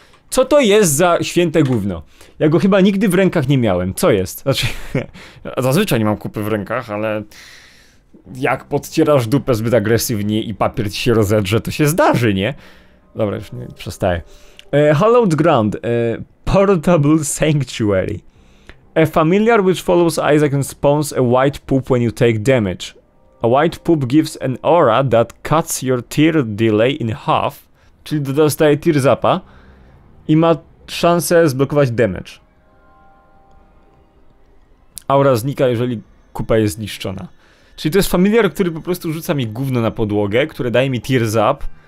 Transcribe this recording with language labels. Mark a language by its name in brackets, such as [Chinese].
[Polish] Co to jest za święte gówno? Ja go chyba nigdy w rękach nie miałem. Co jest? Znaczy, zazwyczaj nie mam kupy w rękach, ale jak podcierasz dupę zbyt agresywnie i papier ci się rozedrze, to się zdarzy, nie? Dobra, już nie, przestaję. [English] Hallowed Ground. Portable Sanctuary. A familiar which follows Isaac and spawns a white poop when you take damage. A white poop gives an aura that cuts your tear delay in half. [Polish] Czyli dostaje tear zapa. I ma szansę zblokować damage. Aura znika, jeżeli kupa jest zniszczona. Czyli to jest familiar, który po prostu rzuca mi gówno na podłogę, które daje mi tear zap.